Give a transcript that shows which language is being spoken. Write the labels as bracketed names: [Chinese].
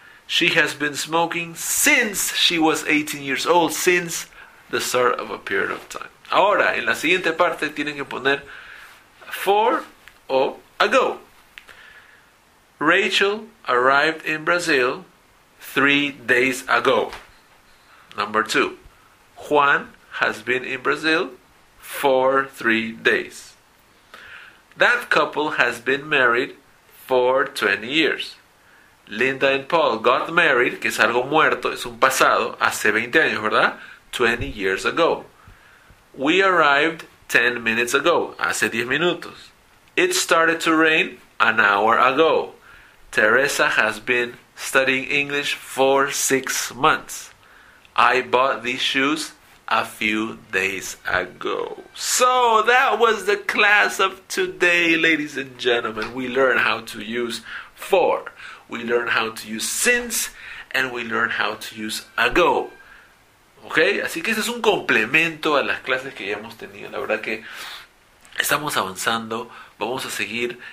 [English] She has been smoking since she was 18 years old, since the start of a period of time. [Spanish] Ahora, en la siguiente parte tienen que poner for o ago. [English] Rachel arrived in Brazil 3 days ago. Number two. Juan has been in Brazil for 3 days. That couple has been married for 20 years. Linda and Paul got married, [Spanish] que es algo muerto, es un pasado, hace 20 años, ¿verdad? [English] 20 years ago. We arrived 10 minutes ago, [Spanish] hace 10 minutos. [English] It started to rain an hour ago. Teresa has been studying English for 6 months. I bought these shoes a few days ago. So that was the class of today, ladies and gentlemen. We learned how to use for, we learned how to use since, and we learned how to use ago. [Spanish] ¿Ok? Así que ese es un complemento a las clases que ya hemos tenido. La verdad que estamos avanzando. Vamos a seguir.